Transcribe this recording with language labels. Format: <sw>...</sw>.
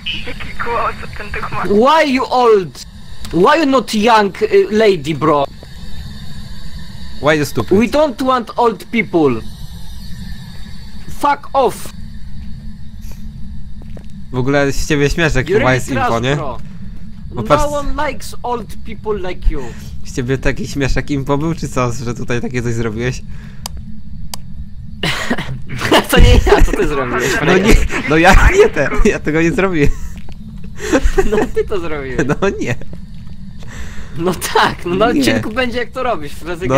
<pl>Jaki głos od ten duch ma?</pl> <en>Why you old? Why you not young lady, bro? Why you stupid? We don't want old people. Fuck off.</en> <pl>W ogóle z ciebie śmieszek chyba</pl> <en>really</en> <pl>jest impo, nie? Bro. No patrz...</pl> <en>one likes old people like you.</en> <pl>Z ciebie taki śmieszek impo był, czy co? Że tutaj takie coś zrobiłeś? To nie nie ja, to ty zrobiłeś. No nie, no ja nie te, ja tego nie zrobiłem. No ty to zrobiłeś. No nie. No tak, no na odcinku będzie jak to robisz, rezygnę.</pl>